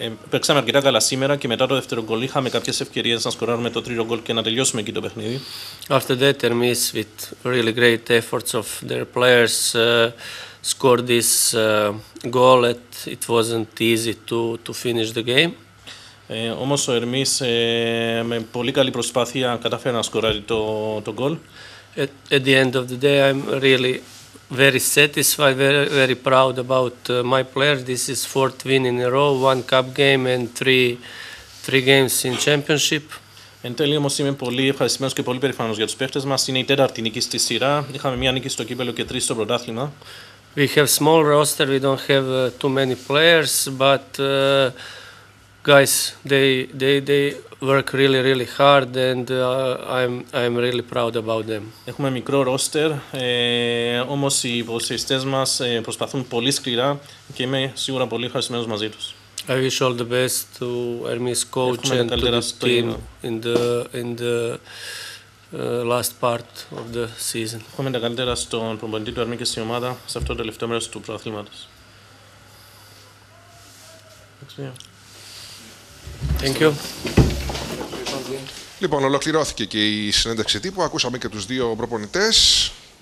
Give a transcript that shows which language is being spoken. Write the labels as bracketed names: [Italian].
[Greek] Παίξαμε αρκετά καλά σήμερα και μετά το δεύτερο γκολ είχαμε κάποιες ευκαιρίες να σκοράρουμε το τρίτο γκολ και να τελειώσουμε εκεί το παιχνίδι. [English] After that, Hermes, with really great efforts of their players, scored this goal. It wasn't easy to finish the game. [Greek] Όμως ο Hermes με πολύ καλή προσπάθεια κατάφερε να σκοράρει το γκολ. [English] At the end of the day, I'm really very satisfied, very, very proud about my players. This is fourth win in a row, one cup game and three games in championship. [Greek] Εν τέλει όμως είμαι πολύ ευχαριστημένος και πολύ περηφανός για τους παίχτες μας. Είναι η τέταρτη νίκη στη σειρά. Είχαμε μία νίκη στο κύπελλο και τρεις στο πρωτάθλημα. [English] We have small roster, we don't have too many players, but guys, they work really, really hard, and I'm really proud about them. [Greek] Έχουμε μικρό roster, όμως οι ποδοσφαιριστές μας προσπαθούν πολύ σκληρά και είμαι σίγουρα πολύ ευχαριστημένος μαζί τους. [English] I wish all the best to Hermes coach and to the team in the last part of the season. [Greek] Έχουμε τα καλύτερα στον προπονητή του Hermes και στην ομάδα σε αυτό το τελευταίο μέρος του προαθλήματος. [English] Thank you. [Greek] Λοιπόν, ολοκληρώθηκε και η συνέντευξη τύπου. Ακούσαμε και τους δύο προπονητές.